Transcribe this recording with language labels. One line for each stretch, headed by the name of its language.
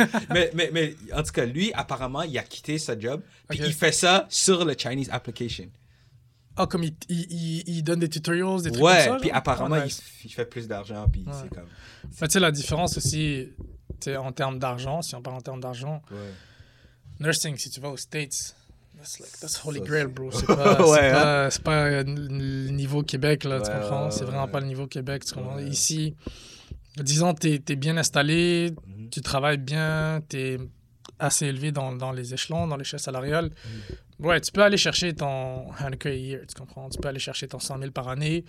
French: Mais en tout cas, lui, apparemment, il a quitté sa job, puis il fait ça sur le Chinese application. Ah, oh, comme il donne des tutorials, des trucs ouais, comme ça? Ouais, puis apparemment, il fait plus d'argent, puis c'est comme... Mais tu sais, la différence aussi, tu sais, en termes d'argent, si on parle en termes d'argent, ouais.
English: Nursing, si tu vas aux States, that's holy grail, bro.
French: C'est pas le niveau Québec, là, tu comprends? C'est vraiment pas le niveau Québec, tu comprends? Ici, disons, t'es bien installé, tu travailles bien, t'es assez élevé dans les échelons, dans l'échelle salariale. Ouais, tu peux aller chercher ton 100K a year, tu comprends? Tu peux aller chercher ton 100 000 par année.